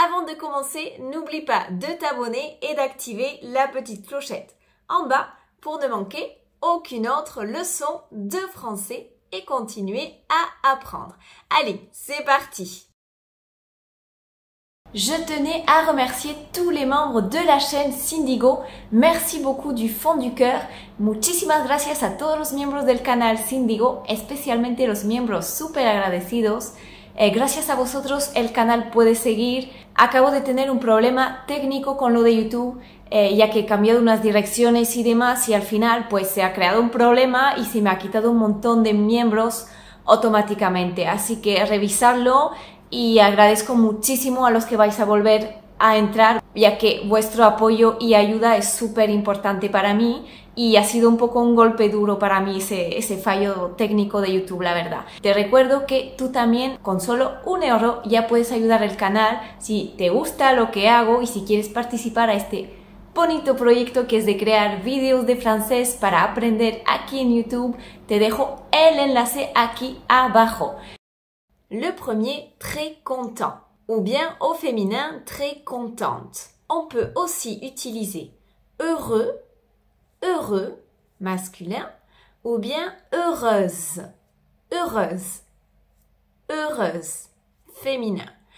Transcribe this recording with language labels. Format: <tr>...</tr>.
<fr>Avant de commencer, n'oublie pas de t'abonner et d'activer la petite clochette en bas pour ne manquer aucune autre leçon de français et continuer à apprendre. Allez, c'est parti! Je tenais à remercier tous les membres de la chaîne Cindigo. Merci beaucoup du fond du cœur.</fr> <es>Muchísimas gracias a todos los miembros del canal Cindigo, especialmente los miembros super agradecidos. Gracias a vosotros, el canal puede seguir. Acabo de tener un problema técnico con lo de YouTube, ya que he cambiado unas direcciones y demás, y al final pues se ha creado un problema y se me ha quitado un montón de miembros automáticamente. Así que revisarlo. Y agradezco muchísimo a los que vais a volver a entrar, ya que vuestro apoyo y ayuda es súper importante para mí y ha sido un poco un golpe duro para mí ese fallo técnico de YouTube, la verdad. Te recuerdo que tú también, con solo un euro, ya puedes ayudar al canal si te gusta lo que hago y si quieres participar a este bonito proyecto que es de crear vídeos de francés para aprender aquí en YouTube. Te dejo el enlace aquí abajo.</es> <fr>Le premier, très content, ou bien au féminin, très contente. On peut aussi utiliser heureux, heureux, masculin, ou bien heureuse, heureuse, heureuse, féminin.</fr>